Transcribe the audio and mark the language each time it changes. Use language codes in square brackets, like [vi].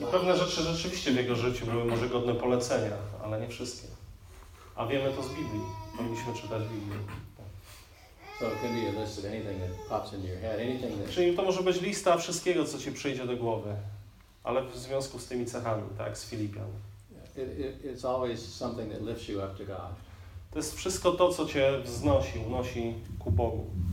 [pl] I pewne rzeczy rzeczywiście w jego życiu były może godne polecenia, ale nie wszystkie. A wiemy to z Biblii. Powinniśmy czytać Biblię. [en] So it can be a list of anything that pops into your head, anything that. [pl] Czyli to może być lista wszystkiego, co ci przyjdzie do głowy. Ale w związku z tymi cechami, tak, z Filipian. [en] It's always something that lifts you up to God. [pl] To jest wszystko to, co cię wznosi, unosi ku Bogu.